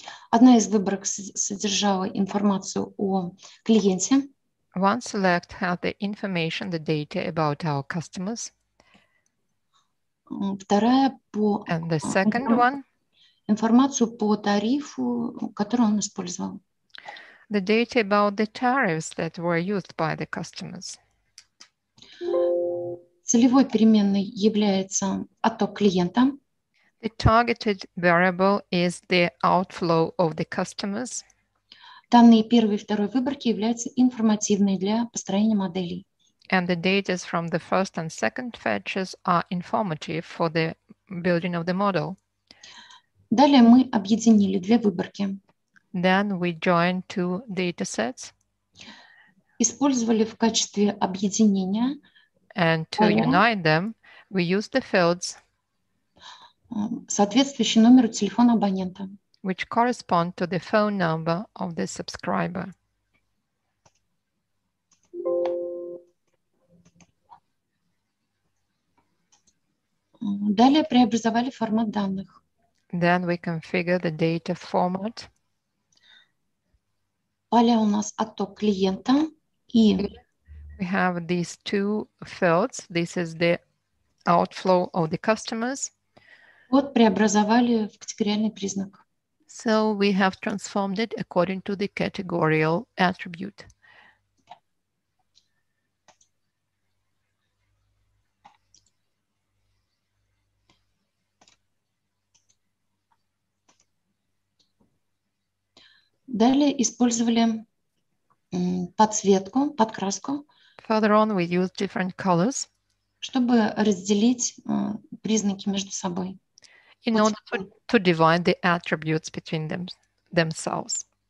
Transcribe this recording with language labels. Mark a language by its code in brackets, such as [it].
[ru] Одна из выборок содержала информацию о клиенте. [en] One select had the information, the data about our customers. [ru] Вторая по... [en] And the second one. [ru] Информацию по тарифу, который он использовал. [en] The data about the tariffs that were used by the customers. [ru] Целевой переменной является отток клиента. [en] The targeted variable is the outflow of the customers. [ru] Данные первой и второй выборки являются информативными для построения моделей. [en] And the data from the first and second fetches are informative for the building of the model. [ru] Далее мы объединили две выборки. [en] Then we joined two data sets. [ru] Использовали в качестве объединения. [en] And to [ru] поля. [en] Unite them, we used the fields. [ru] Соответствующий номеру телефона абонента. [en] Which correspond to the phone number of the subscriber. [ru] Далее преобразовали формат данных. [en] Then we configure the data format. [ru] Поля у нас отток клиента и... [en] We have these two fields. This is the outflow of the customers. [ru] Вот преобразовали в категориальный признак. [en] So we have transformed it according to the categorical attribute. [ru] Далее использовали подсветку, подкраску. [en] Further on, we use different colors. [ru] Чтобы разделить признаки между собой. [en] In order to divide the attributes between themselves.